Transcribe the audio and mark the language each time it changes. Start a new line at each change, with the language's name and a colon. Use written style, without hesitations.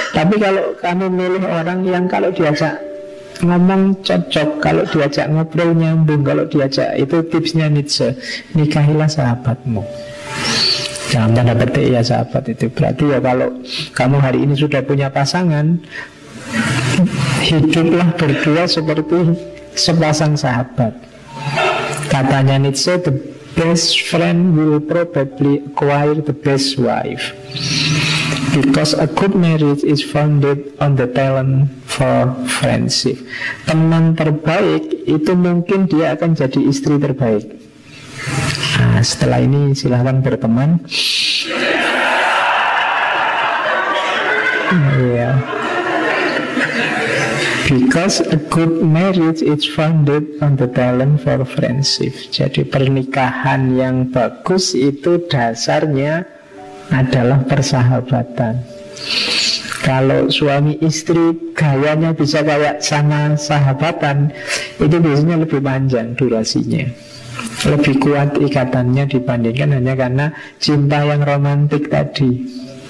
Indonesian: Tapi kalau kamu milih orang yang kalau diajak ngomong cocok, kalau diajak ngobrol nyambung, kalau diajak, itu tipsnya Nietzsche, nikahilah sahabatmu. Jangan tanda petik ya sahabat itu. Berarti ya kalau kamu hari ini sudah punya pasangan, hiduplah berdua seperti sepasang sahabat. Katanya
English: Nietzsche, the best friend will probably acquire the best wife, because a good marriage is founded on the talent for friendship.
Indonesian: Teman terbaik itu mungkin dia akan jadi istri terbaik. Nah, setelah ini silahkan berteman.
English: Yeah. Because a good marriage is founded on the talent for friendship.
Indonesian: Jadi pernikahan yang bagus itu dasarnya adalah persahabatan. Kalau suami istri gayanya bisa kayak sama sahabatan, itu biasanya lebih panjang durasinya, lebih kuat ikatannya dibandingkan hanya karena cinta yang romantik tadi.